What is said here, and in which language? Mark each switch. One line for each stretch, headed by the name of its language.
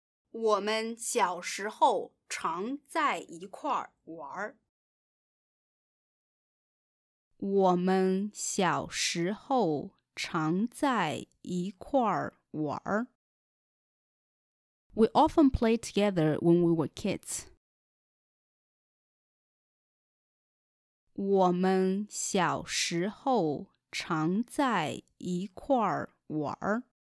Chinese: 我们小时候常在一块儿玩儿。我们小时候常在一块儿玩儿。
English: We often played together when we were kids.
Chinese: 我们小时候常在一块儿玩儿。